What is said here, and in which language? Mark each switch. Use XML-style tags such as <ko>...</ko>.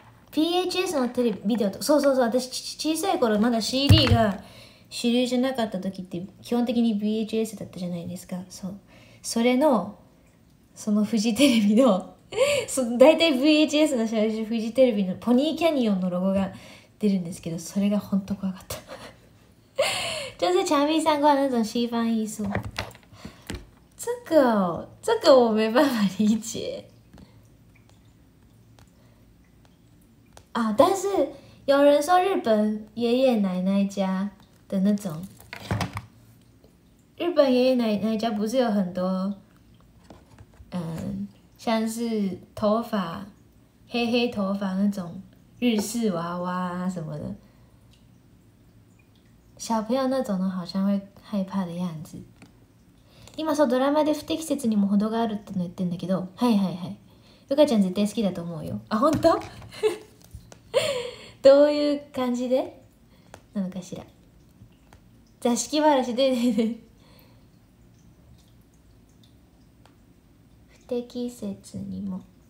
<ja>PHS のテレビビデオと、そうそうそう。私小さい頃まだ CD が主流じゃなかった時って基本的に VHS だったじゃないですか。そう、それのそのフジテレビの、だいたい VHS の最初フジテレビのポニーキャニオンのロゴが出るんですけど、それが本当怖かった。</ja> <zh>就是墙壁上挂那种西方艺术，这个我没办法理解。啊，但是有人说日本爷爷奶奶家的那种，日本爷爷奶奶家不是有很多，像是头发黑黑头发那种。日式娃娃啊什么的，小朋友那种的好像会害怕的样子。</zh> <ja>今说ドラマで不適切にも程があるって言ってんだけど、はいはいはい。ゆかちゃん絶対好きだと思うよ。あ、本当？どういう感じでなのかしら。座敷わらしで不適切にも。</ja>